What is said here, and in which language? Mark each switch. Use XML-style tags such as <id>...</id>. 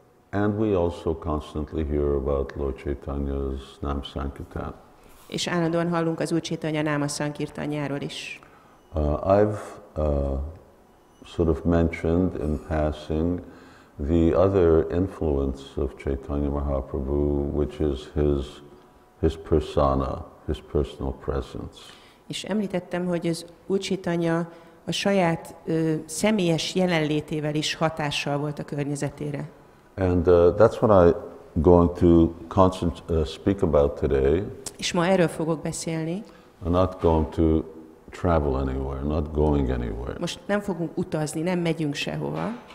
<en>And we also constantly hear about Lord Chaitanya's Nam Sankirtan.</en> <hu>És állandóan hallunk az Úr Chaitanya Náma Sankirtanjáról is.</hu> <en>I've sort of mentioned in passing the other influence of Chaitanya Mahaprabhu, which is his persona, his personal presence.</en> <hu>És említettem, hogy az Úr Chaitanya a saját személyes jelenlétével is hatással volt a környezetére.</hu> <en>And that's what I'm going to speak about today.</en> <hu>És ma erről fogok beszélni.</hu> <en>I'm not going to travel anywhere, not going anywhere.</en> <hu>Most nem fogunk utazni, nem megyünk sehova.</hu>